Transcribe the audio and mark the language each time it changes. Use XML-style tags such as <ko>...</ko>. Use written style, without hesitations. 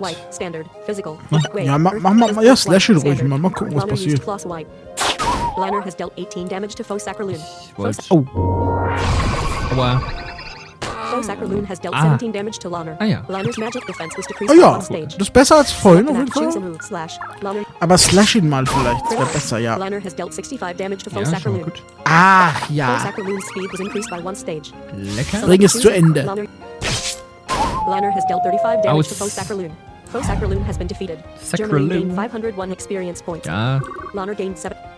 <en>White. Standard. Physical.</en> <de>Ja, mach mal,</de> <en>slash it</en> <de>ruhig mal. Mal gucken, was passiert.</de> <en>Cloth white. Lana has dealt 18 damage to Faux Sacraloon. Oh. Wow. Faux Sacraloon has dealt 17 damage to Lana.</en> <de>Ah ja.</de> <en>Lana's magic defense was decreased by one stage.</en> <de>Das ist besser als vorhin auf jeden Fall.</de> <en>Choose a move. Slash. Lana.</en> <de>Aber slash ihn mal vielleicht, wäre besser, ja.</de> <en>Lana has dealt 65 damage to Faux Sacraloon.</en> <de>Ja, schon mal gut. Ach ja.</de> <en>Faux Sacraloon's speed was increased by one stage.</en> <de>Lecker. Ring ist zu Ende.</de> <en>Lana has dealt 35 damage to Faux Sacraloon. Faux Sacraloon has been defeated. Sacraloon. Germany gained 501 experience points.</en> <de>Ja.</de> <en>Lana gained 7.</en>